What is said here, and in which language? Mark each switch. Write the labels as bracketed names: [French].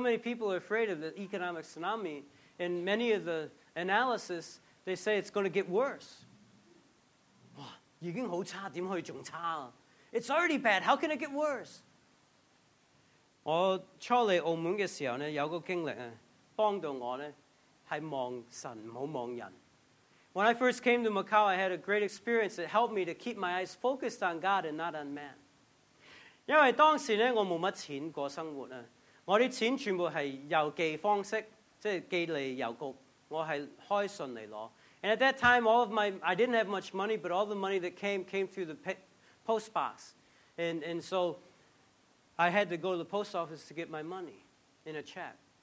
[English] many people are afraid of the economic tsunami, and many of the analysis they say it's going to get worse. [Cantonese] 哇，已经好差，点可以仲差啊？ [English] It's already bad. How can it get worse? [Cantonese] 我初嚟澳门嘅时候咧，有个经历啊，帮到我咧，系望神，唔好望人。 [English] When I first came to Macau, I had a great experience that helped me to keep my eyes focused on God and not on man. [Cantonese] 因为当时咧，我冇乜钱过生活啊，我啲钱全部系邮寄方式，即系寄嚟邮局，我系开信嚟攞。 [English] And at that time, all of my, I didn't have much money, but all the money that came through the post box. And so I had to go to the post office to get my money in a check.